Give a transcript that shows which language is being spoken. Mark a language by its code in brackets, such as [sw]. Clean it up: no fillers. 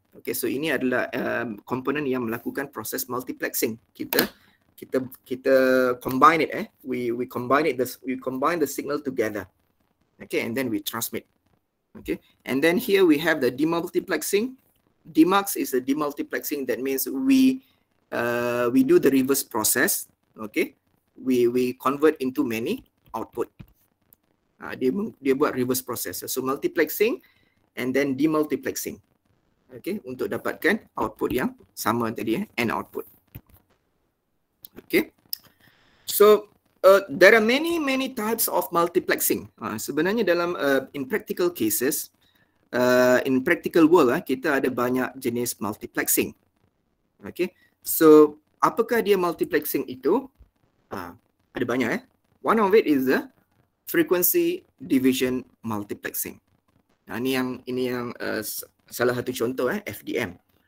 [ms] Okay, so ini adalah komponen yang melakukan proses multiplexing. Kita [en] combine it. We combine the signal together. Okay, and then we transmit. Okay, and then here we have the demultiplexing. DMUX is a demultiplexing. That means we do the reverse process. Okay, we convert into many output. [ms] Dia buat [en] reverse process. So multiplexing and then demultiplexing. [ms] Okay, untuk dapatkan output yang sama tadi, end output. [en] Okay, so there are many many types of multiplexing. [ms] Sebenarnya dalam [en] in practical cases, in practical world, [ms] kita ada banyak jenis multiplexing. Okay, so apakah dia multiplexing itu? Ada banyak. [en] One of it is the frequency division multiplexing. [ms] Nah, ini yang salah satu contoh, FDM.